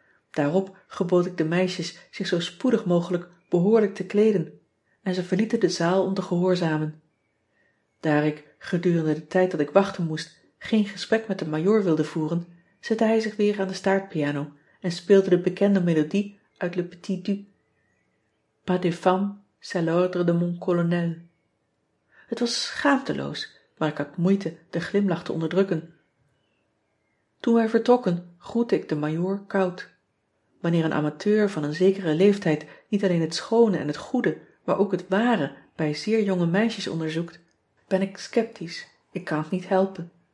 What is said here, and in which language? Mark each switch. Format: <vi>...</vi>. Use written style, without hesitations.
<nl>Daarop gebood ik de meisjes zich zo spoedig mogelijk behoorlijk te kleden en ze verlieten de zaal om te gehoorzamen. Daar ik gedurende de tijd dat ik wachten moest geen gesprek met de majoor wilde voeren, zette hij zich weer aan de staartpiano en speelde de bekende melodie uit Le Petit Du.</nl> <fr>Pas de femme, c'est l'ordre de mon colonel.</fr> <nl>Het was schaamteloos, maar ik had moeite de glimlach te onderdrukken. Toen wij vertrokken, groette ik de majoor koud. Wanneer een amateur van een zekere leeftijd niet alleen het schone en het goede, maar ook het ware bij zeer jonge meisjes onderzoekt, ben ik sceptisch, ik kan het niet helpen.</nl>